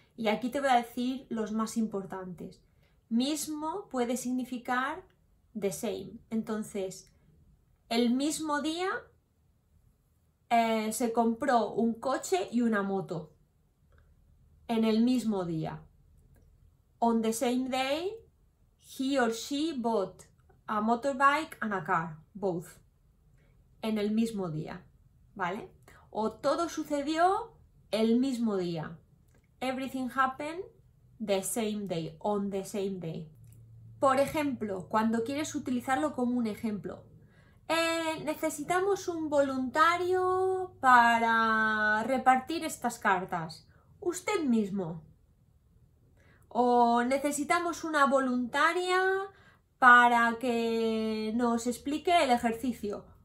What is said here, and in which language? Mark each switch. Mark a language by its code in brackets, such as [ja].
[es] Y aquí te voy a decir los más importantes. Mismo puede significar [en] the same. [es] Entonces, el mismo día se compró un coche y una moto. En el mismo día. [en] On the same day, he or she bought a motorbike and a car, both. [es] En el mismo día, ¿vale? O todo sucedió el mismo día. [en] Everything happened the same day, on the same day. [es] Por ejemplo, cuando quieres utilizarlo como un ejemplo. Necesitamos un voluntario para repartir estas cartas. Usted mismo. O necesitamos una voluntaria para que nos explique el ejercicio.